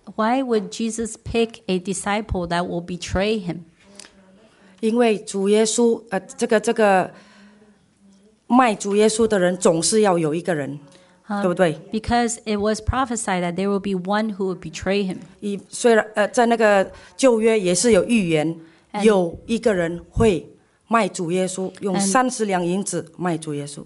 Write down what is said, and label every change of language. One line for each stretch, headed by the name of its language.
English: Why would Jesus pick a disciple that will betray him?
Chinese: 因为主耶稣, 这个 卖主耶稣的人总是要有一个人, 对不对?
English: Because it was prophesied that there will be one who will betray him.
Chinese: 在那个旧约也是有预言, 有一个人会卖主耶稣, 用30两银子卖主耶稣。